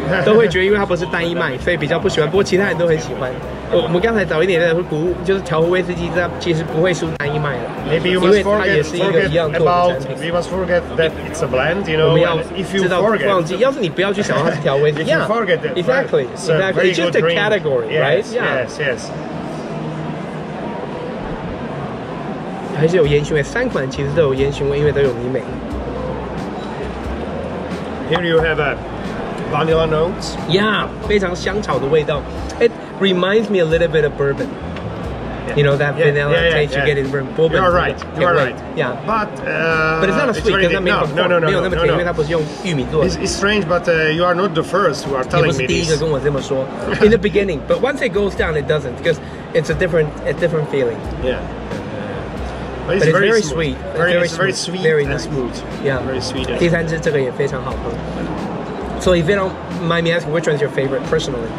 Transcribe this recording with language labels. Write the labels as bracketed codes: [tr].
[zh] 都会觉得，因为它不是单一卖，所以比较不喜欢。不过其他人都很喜欢。我们刚才早一点在说谷物，就是调和威士忌，它其实不会输单一麦的。 [en] Maybe you must forget that it's a blend, you know. [zh] 我们要知道忘记，要是你不要去想它是调威士忌。 [en] If you forget that, exactly. It's just a category, yes, right? Yes. [zh] 还是有烟熏味，三款其实都有烟熏味，因为都有泥煤。 [en] Here you have a vanilla notes. Yeah, [zh] 非常香草的味道。 [en] Reminds me a little bit of bourbon. Yeah. You know that vanilla taste you get in bourbon. You are right. You are right. Yeah. But it's not a sweet. It's no. It's strange, but you are not the first who are telling me this. [zh] 你不是第一个跟我这么说 [en] In the beginning, but once it goes down, it doesn't because it's a different feeling. Yeah. But it's very sweet. Very sweet. Very nice. Smooth. Yeah. Very sweet. [zh] 第三支这个也非常好喝。 [en] So if you don't mind me asking, which one is your favorite personally?